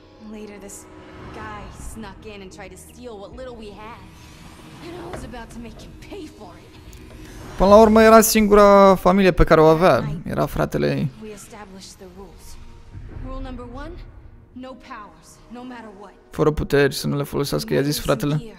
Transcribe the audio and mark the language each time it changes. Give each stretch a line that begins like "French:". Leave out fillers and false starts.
English: Later, this guy snuck in and tried to steal what little we had. And I was about to make him pay for it.
Romanian: Până la urmă era singura familie pe care o avea. Era fratele ei.
English: We established the rules. Rule number one, no powers, no matter what.
Romanian: Fără puteri, să nu le folosească, i-a zis fratele.